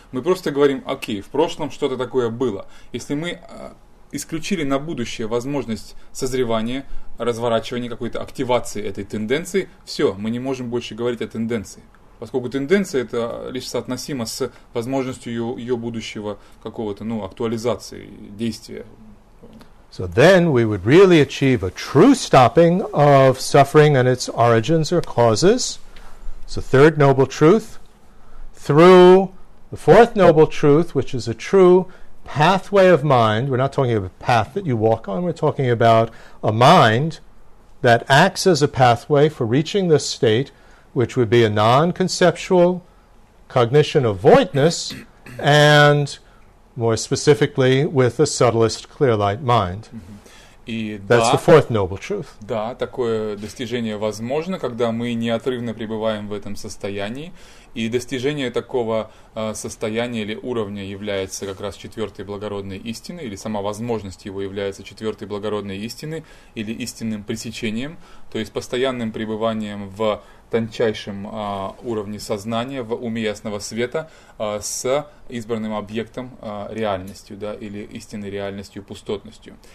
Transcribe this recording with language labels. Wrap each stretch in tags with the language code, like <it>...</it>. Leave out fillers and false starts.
<ru>Мы просто говорим, окей, в прошлом что-то такое было. Если мы исключили на будущее возможность созревания, разворачивания, какой-то активации этой тенденции, все, мы не можем больше говорить о тенденции. Поскольку тенденция это лишь соотносимо с возможностью ее будущего какого-то, ну, актуализации, действия.</ru> <en>So then we would really achieve a true stopping of suffering and its origins or causes. It's the third noble truth. Through the fourth noble truth, which is a true pathway of mind. We're not talking about a path that you walk on. We're talking about a mind that acts as a pathway for reaching this state, which would be a non-conceptual cognition of voidness and more specifically, with a subtlest clear light mind. That's the fourth noble truth.</en> <ru>Да, такое достижение возможно, когда мы неотрывно пребываем в этом состоянии. И достижение такого состояния или уровня является как раз четвертой благородной истиной, или сама возможность его является четвертой благородной истиной, или истинным пресечением, то есть постоянным пребыванием в тончайшем уровне сознания, в уме ясного света, с избранным объектом реальностью, да, или истинной реальностью, пустотностью.</ru>